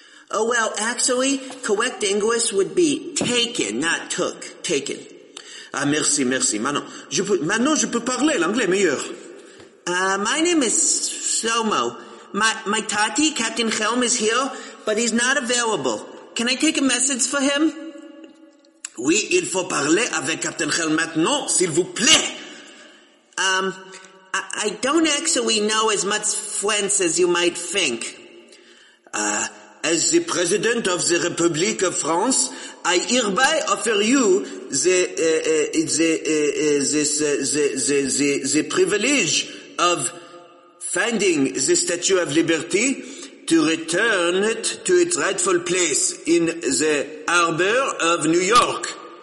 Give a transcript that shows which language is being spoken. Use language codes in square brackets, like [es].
[en] Oh, well, actually, correct English would be taken, not took. Taken. [fr] Ah, merci, merci. Maintenant, je peux parler l'anglais meilleur. [en] My name is Shlomo. My tati, Captain Chelm, is here, but he's not available. Can I take a message for him? [fr] Oui, il faut parler avec Captain Chelm maintenant, s'il vous plaît. [en] I don't actually know as much French as you might think. As the President of the Republic of France, I hereby offer you the privilege of finding the Statue of Liberty to return it to its rightful place in the harbor of New York.